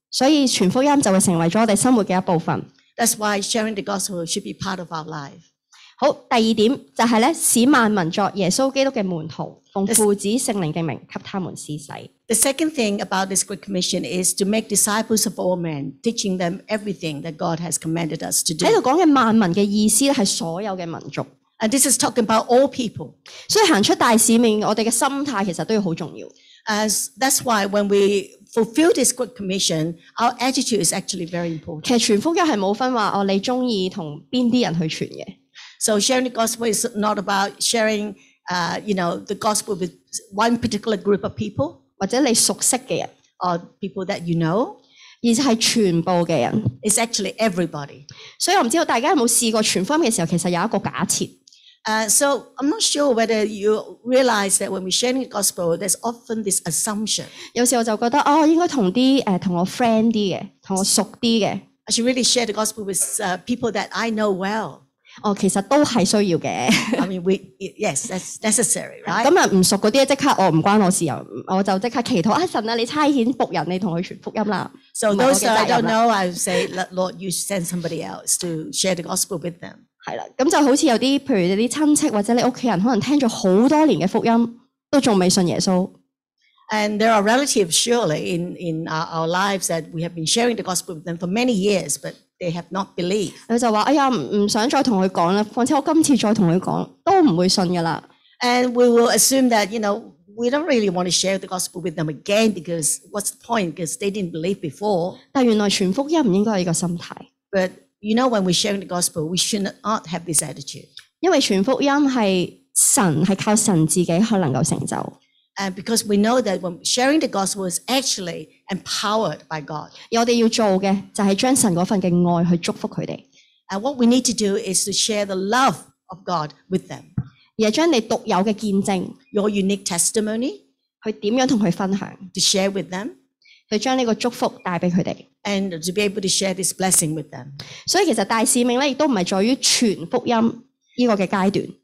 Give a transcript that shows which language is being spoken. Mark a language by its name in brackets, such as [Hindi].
[Cantonese] 所以传福音就会成为咗我哋生活嘅一部分。 [English] That's why sharing the gospel should be part of our life. [Cantonese] 好，第二点就系咧，使万民作耶稣基督嘅门徒，奉父子圣灵嘅名给他们施洗。 [English] The second thing about this Great Commission is to make disciples of all men, teaching them everything that God has commanded us to do. [Cantonese] 喺度讲嘅万民嘅意思咧，系所有嘅民族。 [English] And this is talking about all people. [Cantonese] 所以行出大使命，我哋嘅心态其实都要好重要。 [English] As that's why when we fulfill this Great Commission, our attitude is actually very important. [Cantonese] 其实传福音系冇分话哦，你中意同边啲人去传嘅。 [English] So sharing the gospel is not about sharing, you know, the gospel with one particular group of people. [Cantonese] 或者你熟悉嘅人 [English] ，or people that you know， [Cantonese] 而是系全部嘅人。 [English] It's actually everybody. [Cantonese] 所以我唔知道大家有冇试过传福音嘅时候，其实有一个假设。 [English] So I'm not sure whether you realize that when we share the gospel, there's often this assumption. [Cantonese] 有时候我就觉得哦，应该同啲同我 friend 啲嘅，同我熟啲嘅。 [English] I should really share the gospel with people that I know well. [Cantonese] 哦，其实都系需要嘅。 [English] I mean, yes, that's necessary, right? [Cantonese] 咁啊，唔熟嗰啲即刻哦，唔关我事又，我就即刻祈祷啊，神啊，你差遣仆人你同佢传福音啦。 [English] So those that I don't know, I would say, Lord, you send somebody else to share the gospel with them. [Cantonese] 系啦，咁就好似有啲，譬如啲亲戚或者你屋企人，可能听咗好多年嘅福音，都仲未信耶稣。 [English] And there are relatives surely in our lives that we have been sharing the gospel with them for many years, but they have not believed. [Cantonese] 佢就话：哎呀，唔想再同佢讲啦，况且我今次再同佢讲，都唔会信噶啦。 [English] And we will assume that you know we don't really want to share the gospel with them again because what's the point? Because they didn't believe before. [Cantonese] 但原来传福音唔应该系一个心态。 [English] But you know, when we share the gospel, we should not have this attitude. [Cantonese] 因为传福音是神，是靠神自己可能够成就。 [English] And because we know that when sharing the gospel is actually empowered by God. [Cantonese] 而我哋要做嘅就是将神嗰份嘅爱去祝福佢哋。 [English] And what we need to do is to share the love of God with them. [Cantonese] 而将你独有嘅见证 [English] ，your unique testimony， [Cantonese] 去点样同佢分享 [English] ？To share with them。 [Cantonese] 去将呢个祝福带俾佢哋 [English] ，and to be able to share this blessing with them。 [Cantonese] 所以其实大使命咧，亦都唔系在于传福音呢个嘅阶段。